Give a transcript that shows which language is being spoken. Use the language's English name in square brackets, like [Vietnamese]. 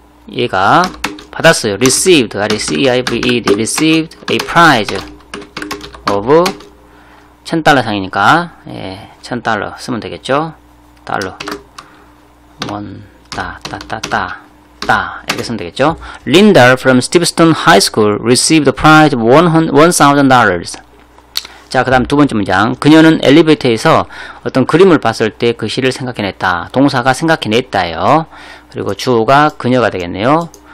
[Korean] 얘가 받았어요. [English] Received, R-E-C-I-V-E-D, received a prize of $1,000 [Korean] 상이니까 예, $1,000 쓰면 되겠죠. 달러 원 따따따따따 이렇게 쓰면 되겠죠. [English] Linda from Stevenson High School received the prize $1,000. [Korean] 자, 그 다음 두 번째 문장. 그녀는 엘리베이터에서 어떤 그림을 봤을 때 그 시를 생각해냈다. 동사가 생각해냈다요. 그리고 주어가 그녀가 되겠네요.